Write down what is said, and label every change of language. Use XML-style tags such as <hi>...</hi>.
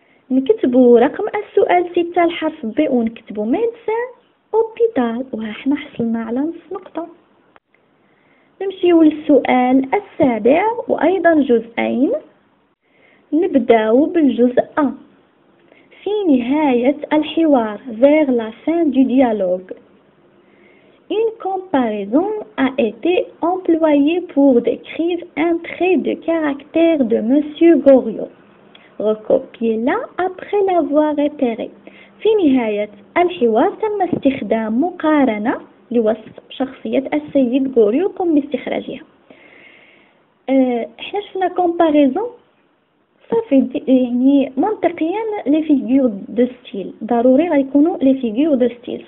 <ar>نكتبوا رقم السؤال 6 الحرف ب، ونكتبوا ميدسان اوبيتال، وها حنا حصلنا على نص نقطه. نمشيو للسؤال السابع، وأيضا جزئين. نبدأ بالجزء أ، في نهاية الحوار،</ar> <fr>vers la fin du dialogue. Une comparaison a été employée pour décrire un trait de caractère de Monsieur Goriot. Recopiez-la après l'avoir repéré.</fr> <ar>في نهاية الحوار تم استخدام مقارنة لوصف شخصية السيد غوريو، قم باستخراجها. احنا شفنا كومباريزون، صح؟ صافي يعني منطقيا</ar> <fr>لي فيغور دو ستيل</fr> <ar>ضروري غيكونوا لي فيغور دو ستيل.</ar>